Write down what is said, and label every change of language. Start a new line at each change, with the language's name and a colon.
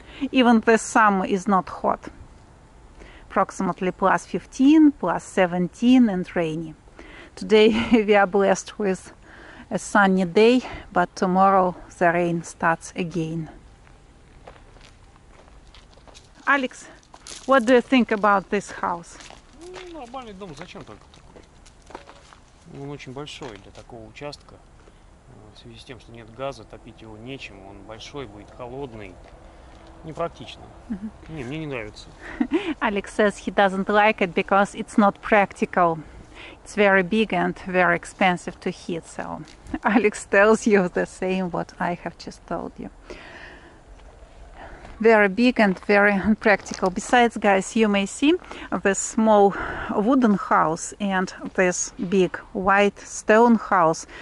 English: Even this summer is not hot. Approximately plus 15, plus 17, and rainy. Today we are blessed with a sunny day, but tomorrow the rain starts again. Alex, what do you think about this house?
Russian: Нормальный дом, зачем только такой? Он очень большой для такого участка. В связи с тем, что нет газа, топить его нечем, он большой, будет холодный. Непрактично. Mm-hmm. Не, мне не нравится.
English: Alex says he doesn't like it because it's not practical. It's very big and very expensive to heat. So Alex tells you the same what I have just told you. Very big and very unpractical. Besides, guys, you may see this small wooden house and this big white stone house.